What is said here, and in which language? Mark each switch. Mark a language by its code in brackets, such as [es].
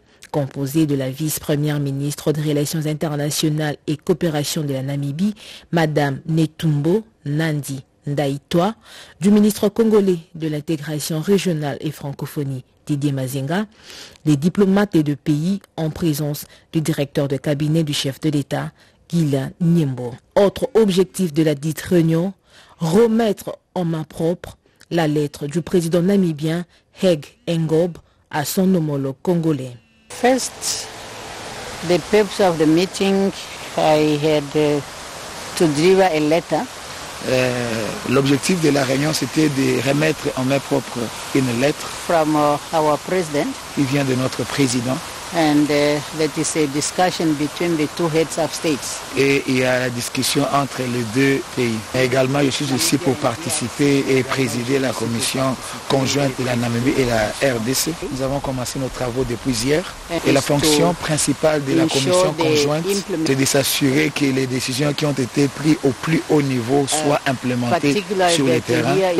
[fr] Composée de la vice-première ministre des Relations internationales et coopération de la Namibie, Madame Netumbo Nandi Ndaitwa, du ministre congolais de l'intégration régionale et francophonie Didier Mazinga, les diplomates des deux pays en présence du directeur de cabinet du chef de l'État, Guylain Nyembo. Autre objectif de la dite réunion, remettre en main propre la lettre du président namibien Heg Ngob à son homologue congolais. [en] First, the purpose of the meeting, I had to deliver a letter. [fr] L'objectif de la réunion, c'était de remettre en main propre une lettre [en] from our president, [fr] qui vient de notre président. [en] And that is a discussion between the two heads of states. [fr] Et il y a la discussion entre les deux pays. Et également, je suis ici pour participer et présider la commission conjointe de la Namibie et la RDC. Nous avons commencé nos travaux depuis hier. Et la fonction principale de la commission conjointe, c'est de s'assurer que les décisions qui ont été prises au plus haut niveau soient implémentées sur le terrain.